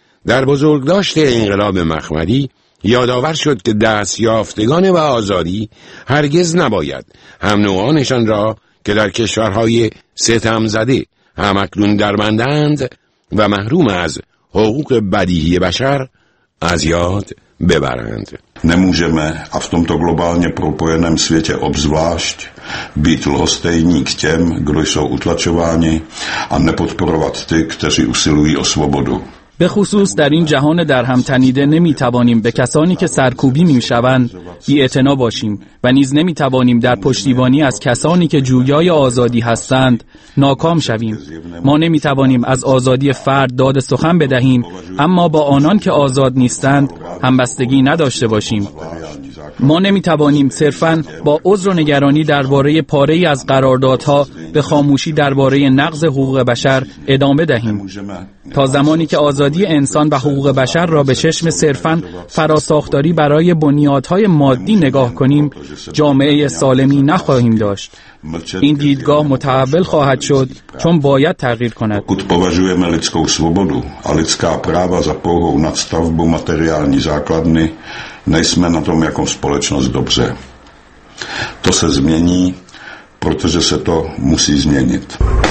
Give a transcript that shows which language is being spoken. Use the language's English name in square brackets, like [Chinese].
[Persian] در بزرگداشت انقلاب مخملی یادآور شد که دستیافتگان و آزادی هرگز نباید همنوعانشان را که در کشورهای ستم زده همکنون درمندند و محروم از حقوق بدیهی بشر از یاد ببرند. [Czech] Nemůžeme a v tomto globálně propojeném světě obzvlášť být lhostejní k těm, kdo jsou utlačováni a nepodporovat ty, kteří usilují o svobodu. [Persian] به خصوص در این جهان در هم تنیده نمیتوانیم به کسانی که سرکوبی میشوند بی‌اعتنا باشیم و نیز نمیتوانیم در پشتیبانی از کسانی که جویای آزادی هستند ناکام شویم. ما نمیتوانیم از آزادی فرد داد سخن بدهیم اما با آنان که آزاد نیستند همبستگی نداشته باشیم. ما نمیتوانیم صرفاً با عذر و نگرانی درباره پاره ای از قراردادها به خاموشی درباره نقض حقوق بشر ادامه دهیم. تا زمانی که آزادی انسان و حقوق بشر را به چشم صرفاً فراساختاری برای بنیادهای مادی نگاه کنیم، جامعه سالمی نخواهیم داشت. این دیدگاه متحول خواهد شد چون باید تغییر کند. [Czech] Pokud považujeme lidskou svobodu a lidská práva za pouhou nadstavbu materiální základny, nejsme na tom jako společnost dobře. To se změní, protože se to musí změnit.